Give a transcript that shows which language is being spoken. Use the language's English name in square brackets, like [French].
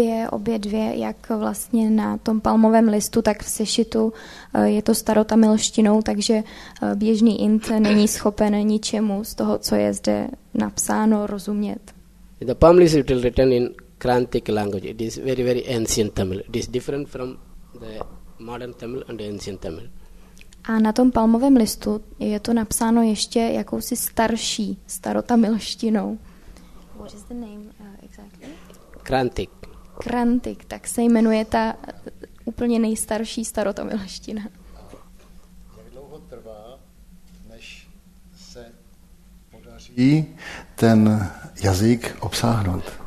[Czech] Obě dvě, jak vlastně na tom palmovém listu, tak v sešitu, je to starotamilštinou, takže běžný Ind není schopen ničemu z toho, co je zde napsáno, rozumět. [English] The palm list is written in Krantic language. It is very, very ancient Tamil. It is different from the modern Tamil and ancient Tamil. [Czech] A na tom palmovém listu je to napsáno ještě jakousi starší starotamilštinou. [English] What is the name exactly? Krantic. [Czech] Krantic, tak se jmenuje ta úplně nejstarší starotamilština. Jak dlouho trvá, než se podaří ten jazyk obsáhnout?